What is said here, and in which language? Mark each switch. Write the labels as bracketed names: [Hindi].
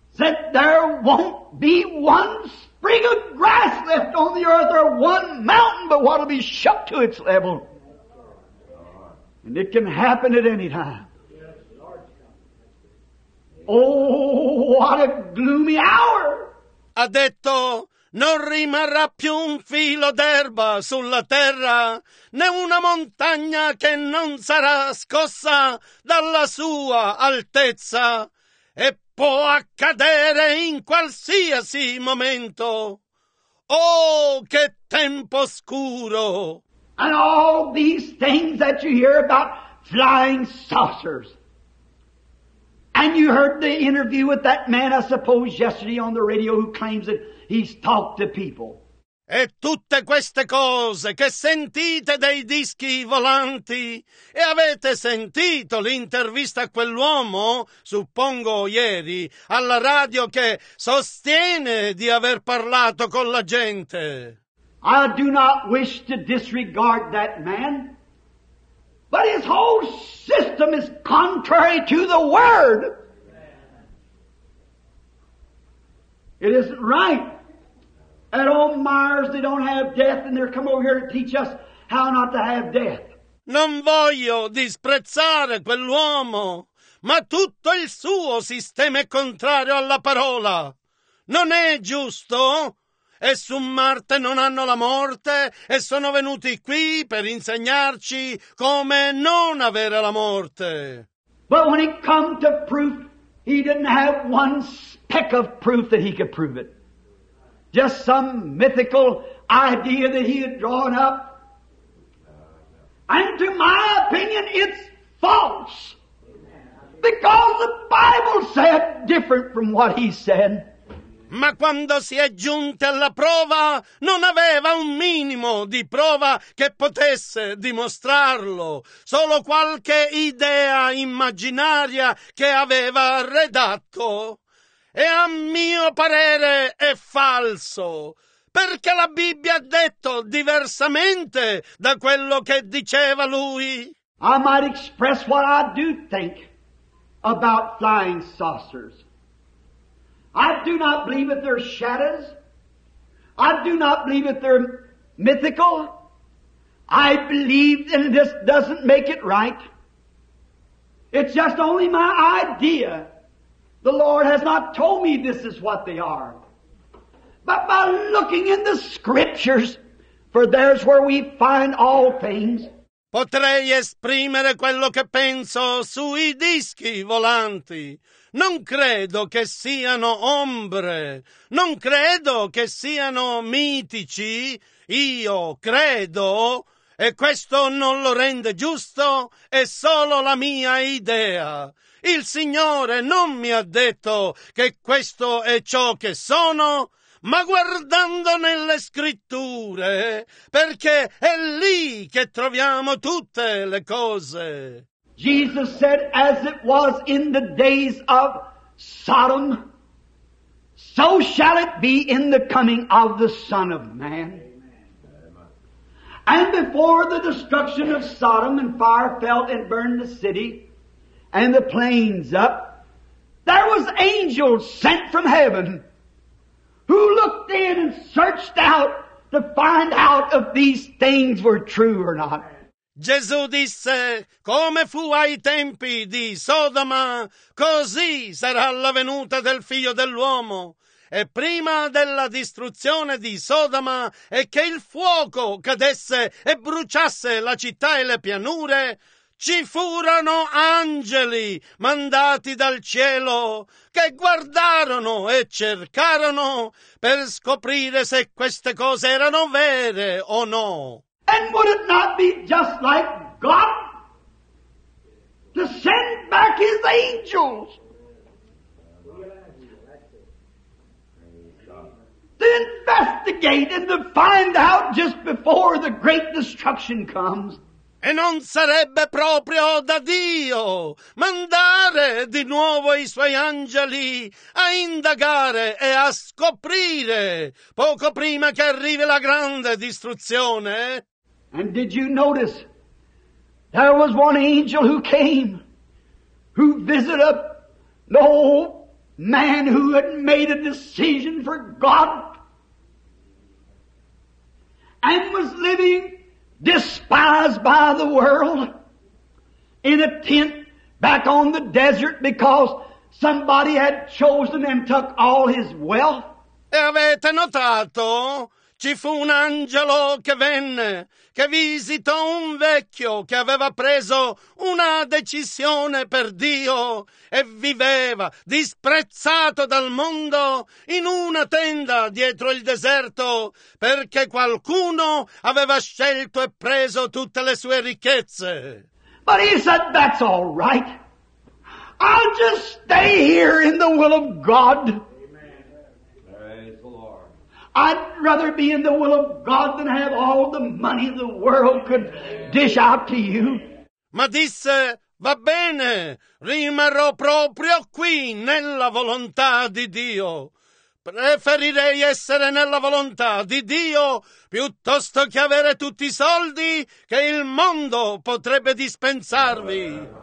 [English] That there won't be one sprig of grass left on the earth or one mountain but what'll be shook to its level. And it can happen at any time. Oh, what a gloomy hour! [Italian] Ha detto, non rimarrà più un filo d'erba sulla terra, né una montagna che non sarà scossa dalla sua altezza. E può accadere in qualsiasi momento. Oh, che tempo scuro! [English] And all these things that you hear about flying saucers And you heard the interview with that man, I suppose, yesterday on the radio who claims that he's talked to people. [Italian] E tutte queste cose che sentite dei dischi volanti e avete sentito l'intervista a quell'uomo, suppongo ieri, alla radio che sostiene di aver parlato con la gente. [English] I do not wish to disregard that man, but his whole system is contrary to the word. It isn't right. At all Myers, they don't have death, and they're come over here to teach us how not to have death. [Italian] Non voglio disprezzare quell'uomo, ma tutto il suo sistema è contrario alla parola. Non è giusto? E su Marte non hanno la morte, e sono venuti qui per insegnarci come non avere la morte. [English] But when it come to proof, he didn't have one speck of proof that he could prove it. Just some mythical idea that he had drawn up. And to my opinion, it's false. Because the Bible said different from what he said. [Italian] Ma quando si è giunti alla prova, non aveva un minimo di prova che potesse dimostrarlo. Solo qualche idea immaginaria che aveva redatto. E a mio parere è falso, perché la Bibbia ha detto diversamente da quello che diceva lui. [English] I might express what I do think about flying saucers. I do not believe that they're shadows. I do not believe that they're mythical. I believe, and this doesn't make it right. It's just only my idea. The Lord has not told me this is what they are. But by looking in the scriptures, for there's where we find all things. [Italian] Potrei esprimere quello che penso sui dischi volanti. Non credo che siano ombre. Non credo che siano mitici. Io credo, e questo non lo rende giusto, è solo la mia idea. Il Signore non mi ha detto che questo è ciò che sono, ma guardando nelle scritture, perché è lì che troviamo tutte le cose. [English] Jesus said, as it was in the days of Sodom, so shall it be in the coming of the Son of Man. And before the destruction of Sodom and fire fell and burned the city, and the plains up, there was angels sent from heaven who looked in and searched out to find out if these things were true or not. [Italian] Gesù disse, come fu ai tempi di Sodoma, così sarà la venuta del Figlio dell'uomo. E prima della distruzione di Sodoma e che il fuoco cadesse e bruciasse la città e le pianure, ci furono angeli mandati dal cielo che guardarono e cercarono per scoprire se queste cose erano vere o no. [English] And would it not be just like God to send back his angels to investigate and to find out just before the great destruction comes? [Italian] E non sarebbe proprio da Dio mandare di nuovo i suoi angeli a indagare e a scoprire poco prima che arrivi la grande distruzione? [English] And did you notice there was one angel who came who visited the old man who had made a decision for God and was living despised by the world in a tent back on the desert because somebody had chosen and took all his wealth. [Italian] E avete notato? Ci fu un angelo che venne, che visitò un vecchio che aveva preso una decisione per Dio e viveva disprezzato dal mondo in una tenda dietro il deserto perché qualcuno aveva scelto e preso tutte le sue ricchezze. [English] But he said, that's all right. I'll just stay here in the will of God. I'd rather be in the will of God than have all the money the world could dish out to you. [Italian] Ma disse, va bene, rimarrò proprio qui nella volontà di Dio. Preferirei essere nella volontà di Dio piuttosto che avere tutti i soldi che il mondo potrebbe dispensarvi.